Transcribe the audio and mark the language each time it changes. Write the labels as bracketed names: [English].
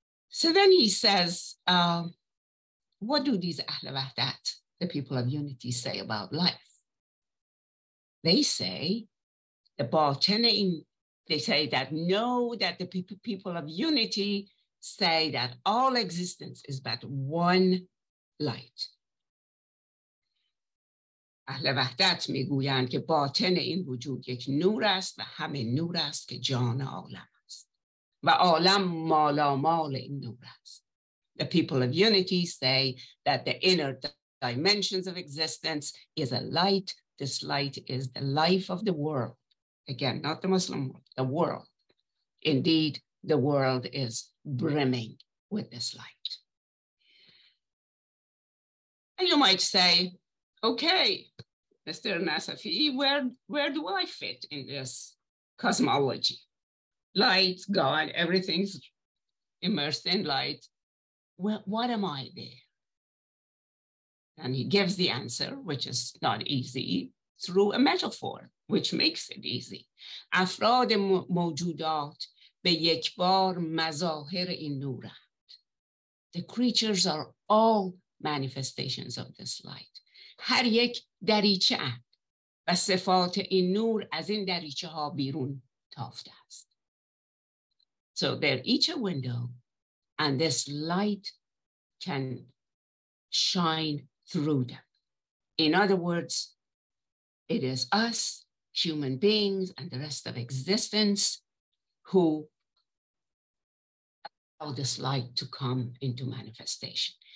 [English] So then he says, what do these Ahle Wahdat, the people of unity, say about life? They say the Ba'atinain, they say that know that the people of unity say that all existence is but one light. [Persian] Ahle Wahdat میگویند که باطن این وجود یک نور است و همه نور است که جان عالم است و عالم مالا مال این نور است. [English] The people of unity say that the inner dimensions of existence is a light. This light is the life of the world. Again, not the Muslim world, the world. Indeed, the world is brimming with this light. And you might say, okay, Mr. Nasafi, where do I fit in this cosmology? Light, God, everything's immersed in light. Well, what am I there? And he gives the answer, which is not easy, through a metaphor, which makes it easy. [Persian] افراد موجودات به یک بار مظاهر این نورند. [English] The creatures are all manifestations of this light. [Persian] هر یک دریچه اند و صفات این نور از این دریچه ها بیرون تافته است. [English] So they're each a window and this light can shine through them. In other words, it is us, human beings, and the rest of existence who allow this light to come into manifestation.